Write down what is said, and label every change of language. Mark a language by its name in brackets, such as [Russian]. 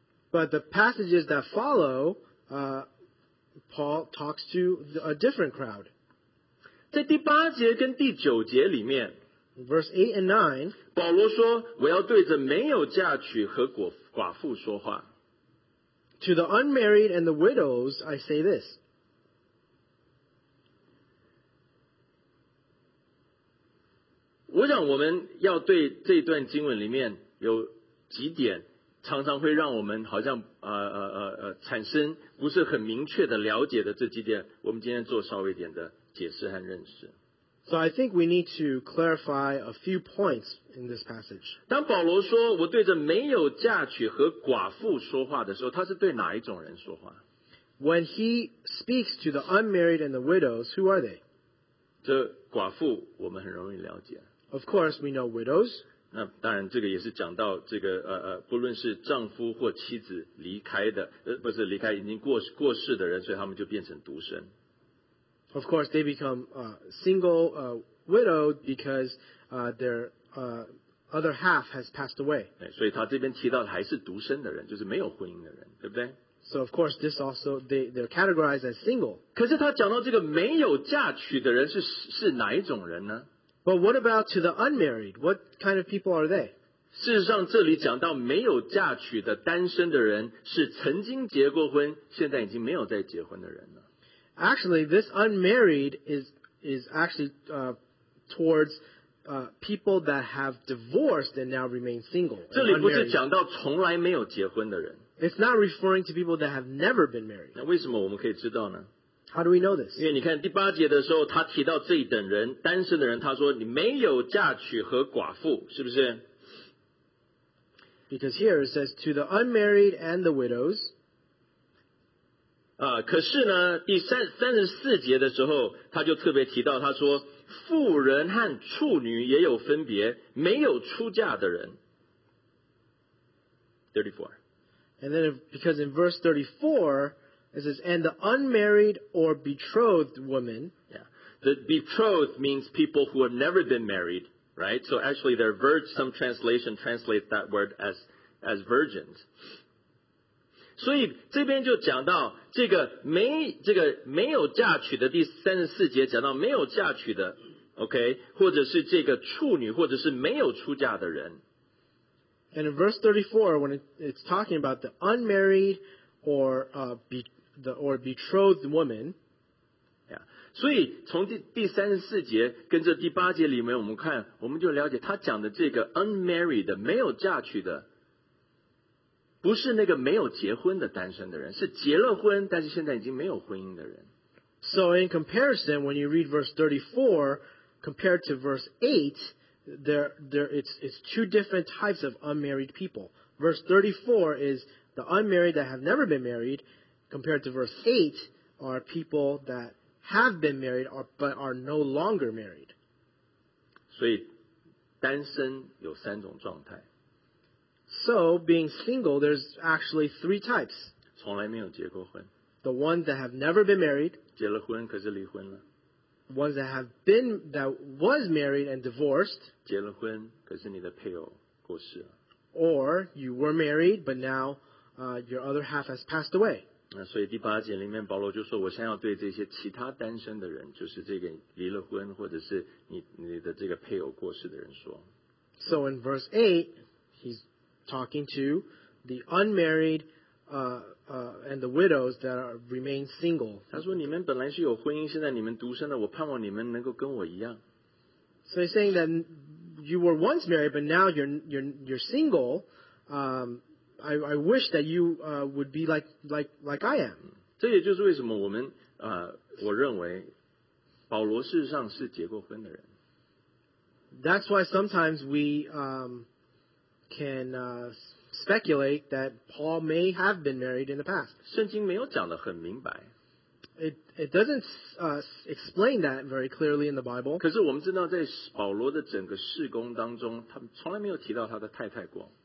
[English] But the passages that follow, Paul talks to a different crowd. [Chinese] 在第八节跟第九节里面, [English] Verse 8 and 9, [Chinese] 保罗说, 我要对着没有嫁娶和寡妇说话。 [English] To the unmarried and the widows, I say this. [Chinese] 我想我们要对这段经文里面有几点常常会让我们好像产生不是很明确的了解的这几点，我们今天做稍微一点的解释和认识。 [English] So I think we need to clarify a few points in this passage. [Chinese] 当保罗说我对着没有嫁娶和寡妇说话的时候，他是对哪一种人说话？ [English] When he speaks to the unmarried and the widows, who are they? [Chinese] 这寡妇我们很容易了解。 [English] Of course, we know widows. [Chinese] 那当然这个也是讲到这个不论是丈夫或妻子离开的不是离开已经过世的人，所以他们就变成独身。 [English] Of course, they become single widowed because their other half has passed away. [Chinese] 所以他这边提到的还是独身的人，就是没有婚姻的人，对不对？ [English] So of course, this also they're categorized as single. [Chinese] 可是他讲到这个没有嫁娶的人是哪一种人呢？ [English] But what about to the unmarried? What kind of people are they? [Chinese] 事实上，这里讲到没有嫁娶的单身的人是曾经结过婚，现在已经没有再结婚的人了。 [English] Actually, this unmarried is actually towards people that have divorced and now remain single. [Chinese] 这里不是讲到从来没有结婚的人。 [English] It's not referring to people that have never been married. [Chinese] 那为什么我们可以知道呢？ [English] How do we know this? [Chinese] 因为你看第八节的时候，他提到这一等人，单身的人，他说你没有嫁娶和寡妇，是不是？ [English] Because here it says to the unmarried and the widows. [Chinese] 可是呢第34节的时候他就特别提到，他说妇人和处女也有分别，没有出嫁的人。 [English] 34 And then because in verse 34 it says and the unmarried or betrothed woman. Yeah, the betrothed means people who have never been married, right? So actually their verge, some translation translates that word as virgins. [Chinese] 所以这边就讲到这个没有嫁娶的第34节讲到没有嫁娶的 OK 或者是这个处女或者是没有出嫁的人。 [English] And in verse 34 when it's talking about the unmarried or or betrothed woman、 yeah. [Chinese] 所以从第34节跟这第八节里面我们看我们就了解他讲的这个 unmarried 的没有嫁娶的不是那个没有结婚的单身的人，是结了婚但是现在已经没有婚姻的人。 [English] So in comparison, when you read verse 34 compared to verse 8, it's two different types of unmarried people. Verse 34 is the unmarried that have never been married, compared to verse 8 are people that have been married but are no longer married. [Chinese] 所以单身有三种状态。 [English] So, being single, there's actually three types. [Chinese] 从来没有结过婚。 [English] The ones that have never been married. [Chinese] 结了婚可是离婚了。 [English] Ones that have been, that was married and divorced. [Chinese] 结了婚可是你的配偶过世了。 [English] Or, you were married, but now, your other half has passed away. [Chinese] 那所以第八节里面保罗就说我想要对这些其他单身的人就是这个离了婚或者是 你的这个配偶过世的人说。 [English] So, in verse 8, he'sTalking to the unmarried and the widows that remain single. 他说你们本来是有婚姻，现在你们独身了。我盼望你们能够跟我一样。 So he's saying that you were once married, but now you're single. I wish that you would be like I am. [Chinese] 这也就是为什么我们我认为保罗事实上是结过婚的人。 [English] That's why sometimes we can speculate that Paul may have been married in the past. [Chinese] 圣经没有讲得很明白。 [English] It doesn't explain that very clearly in the Bible. [Chinese] 可是我们知道在保罗的整个事工当中他从来没有提到他的太太过。